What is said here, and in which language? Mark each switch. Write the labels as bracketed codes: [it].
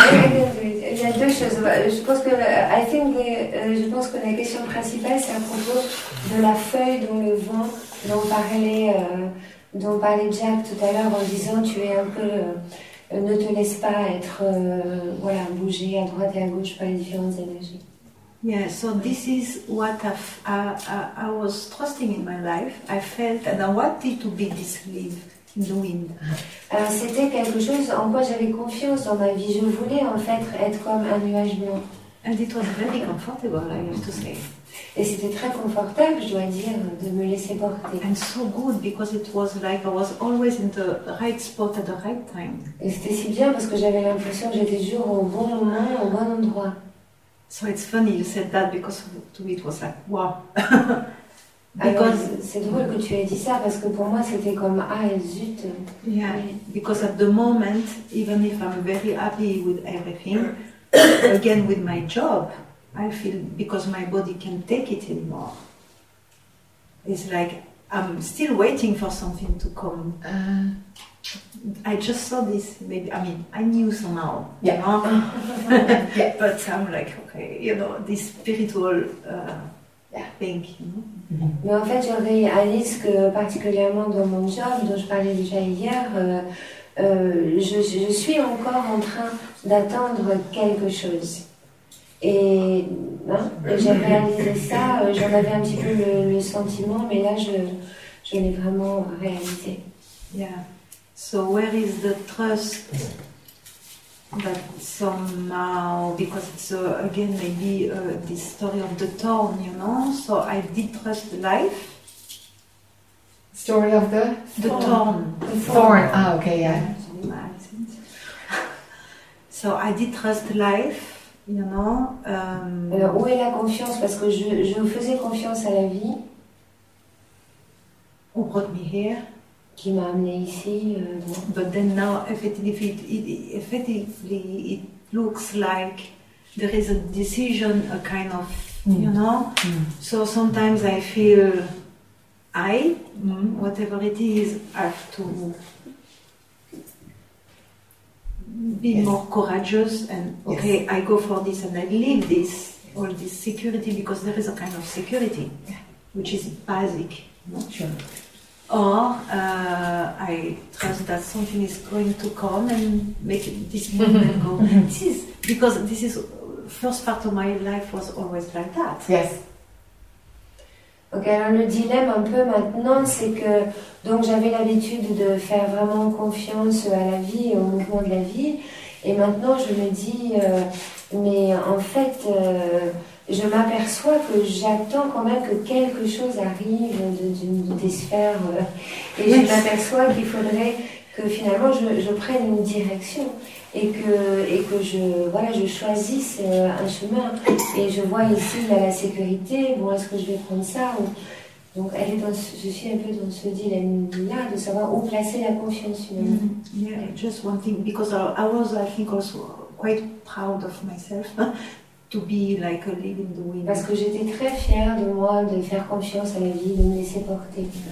[en] I think [fr] je pense que la question principale c'est à propos de la feuille dont le vent dont parlait Jack tout à l'heure en disant tu es un peu ne te laisse pas être voilà bouger à droite et à gauche par les différentes énergies. [en] Yeah, so this is what I was trusting in my life. I felt and I wanted to be this leaf in the wind. [fr] Alors c'était quelque chose en quoi j'avais confiance dans ma vie. Je voulais en fait être comme un nuage blanc. [en] And it was very comfortable, I have to say. [fr] Et c'était très confortable, je dois dire, de me laisser porter. [en] And so good because it was like I was always in the right spot at the right time. [fr] Et c'était si bien parce que j'avais l'impression que j'étais toujours au bon moment, au bon endroit. [en] So it's funny you said that because to me it was like wow. Because [fr] c'est drôle que tu aies dit ça parce que pour moi c'était comme ah zut. [en] Yeah. Because at the moment, even if I'm very happy with everything, again with my job, I feel because my body can't take it anymore. It's like I'm still waiting for something to come. I just saw this. Maybe I mean I knew somehow. Yeah. You know? Yeah. But I'm like, okay, you know, this spiritual thing. You know? Mm-hmm. [fr] Mais en fait, j'aurais Alice que particulièrement dans mon job dont je parlais déjà hier. Je suis encore en train d'attendre quelque chose. Et hein, j'ai réalisé ça, j'en avais un petit peu le sentiment, mais là je l'ai vraiment réalisé. [en] Yeah. So where is the trust that somehow, because it's again maybe this story of the thorn, you know? So I did trust life. Story of the thorn. The thorn. Ah, okay, yeah. So I did trust life. You know, [fr] alors où est la confiance? Parce que je faisais confiance à la vie. [en] Who brought me here? [fr] Qui m'a amené ici? [en] But then now, effectively, it looks like there is a decision, a kind of, you know. Mm. So sometimes I feel whatever it is, have to be more courageous and okay, I go for this and I leave this, all this security, because there is a kind of security which is basic, not sure. Or I trust that something is going to come and make this moment go. This is first part of my life was always like that. Yes. [fr] Ok, alors le dilemme un peu maintenant, c'est que donc j'avais l'habitude de faire vraiment confiance à la vie et au mouvement de la vie, et maintenant je me dis, mais en fait, je m'aperçois que j'attends quand même que quelque chose arrive des sphères, et je m'aperçois qu'il faudrait que finalement je prenne une direction et que je voilà je choisisse un chemin et je vois ici là, la sécurité. Bon, est-ce que je vais prendre ça ou... Donc elle est je suis un peu dans ce dilemme là de savoir où placer la confiance humaine. Mm-hmm. [en] Yeah, just one thing, because I was I think also quite proud of myself to be like a leaf in the wind. [fr] Parce que j'étais très fière de moi de faire confiance à la vie, de me laisser porter.